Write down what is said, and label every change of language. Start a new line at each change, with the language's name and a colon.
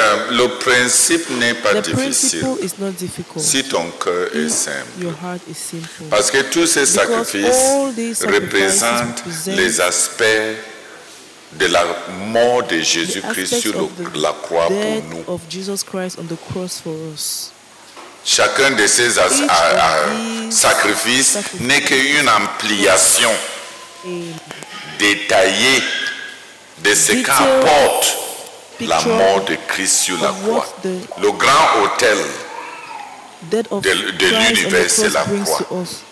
French: Le principe n'est pas difficile.
English: Principle is not difficult.
French: Si ton cœur est simple.
English: Your heart is simple.
French: Parce que tous ces sacrifices représentent les aspects de la mort de Jésus-Christ sur la croix pour nous.
English: Of Jesus Christ on the cross for us.
French: Chacun de ces sacrifices n'est qu'une ampliation détaillée de ce qu'apporte la mort de Christ sur la croix. Le grand autel de l'univers, c'est la croix.